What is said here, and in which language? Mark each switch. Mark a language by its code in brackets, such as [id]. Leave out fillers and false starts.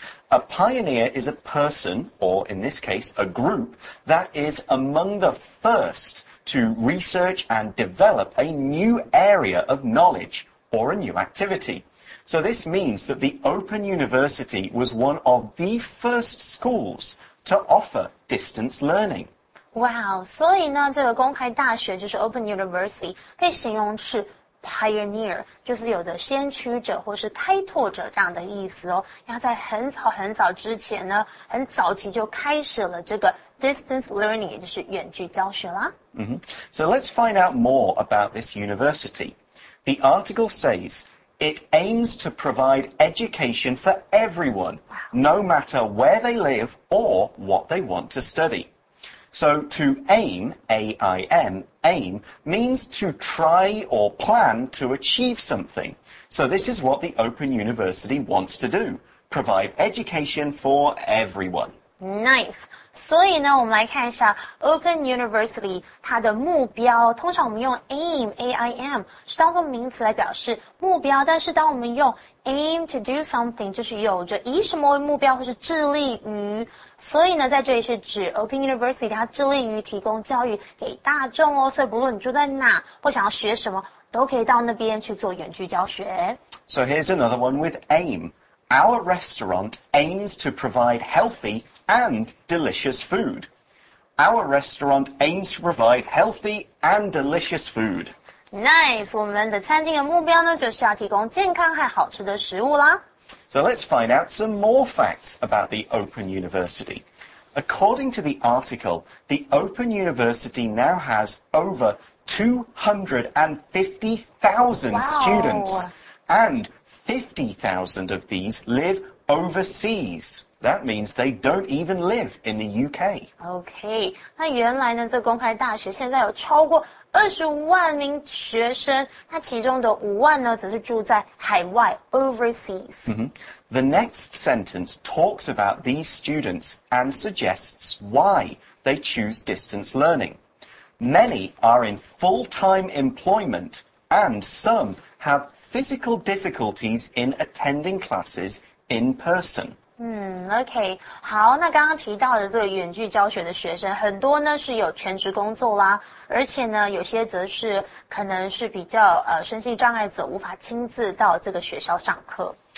[en] A pioneer is a person, or in this case, a group, that is among the first to research and develop a new area of knowledge or a new activity. So this means that the Open University was one of the first schools to offer distance learning. [zh] Wow, 所以呢这个公开大学就是 Open University, 可以形容是 pioneer, 就是有着先驱者或是开拓者这样的意思哦。那在很早很早之前呢很早期就开始了这个 distance learning, 也就是远距教学啦。 [en] So let's find out more about this university. The article says,It aims to provide education for everyone, no matter where they live or what they want to study. So to aim, A-I-M, aim, means to try or plan to achieve something. So this is what the Open University wants to do, provide education for everyone. Nice. [zh] 所以呢我们来看一下 Open University 它的目标通常我们用 aim, A-I-M, 是当作名词来表示目标但是当我们用 [en] aim to do something, [zh] 就是有着以什么为目标或是致力于。所以呢在这里是指 Open University 它致力于提供教育给大众哦所以不论你住在哪或想要学什么都可以到那边去做远距教学。 [en] So here's another one with aim. Our restaurant aims to provide healthy,And delicious food. Our restaurant aims to provide healthy and delicious food. Nice! [zh] 我们的餐厅的目标呢就是要提供健康和好吃的食物啦。 [en] So let's find out some more facts about the Open University. According to the article, the Open University now has over 250,000 students. And 50,000 of these live overseas. That means they don't even live in the UK. [zh] Okay, 那原来呢，这公开大学现在有超过25万名学生，那其中的5万呢，则是住在海外 overseas. [en] The next sentence talks about these students and suggests why they choose distance learning. Many are in full-time employment, and some have physical difficulties in attending classes in person. [zh] OK, 好那刚刚提到的这个远距教学的学生很多呢是有全职工作啦而且呢有些则是可能是比较身心障碍者无法亲自到这个学校上课。